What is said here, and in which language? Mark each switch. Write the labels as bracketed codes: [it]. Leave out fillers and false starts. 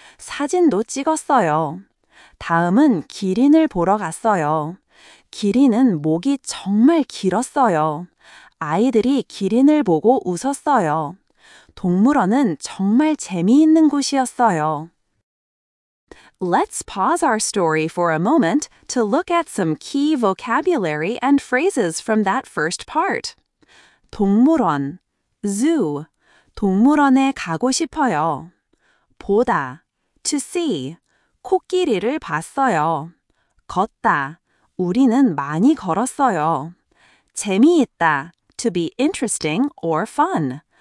[ko] 사진도 찍었어요. 다음은 기린을 보러 갔어요. 기린은 목이 정말 길었어요. 아이들이 기린을 보고 웃었어요. 동물원은 정말 재미있는 곳이었어요. [en] Let's pause our story for a moment to look at some key vocabulary and phrases from that first part. [ko] 동물원, zoo, 동물원에 가고 싶어요. 보다, [en] to see, [ko] 코끼리를 봤어요. 걷다, 우리는 많이 걸었어요. 재미있다, [en] to be interesting or fun.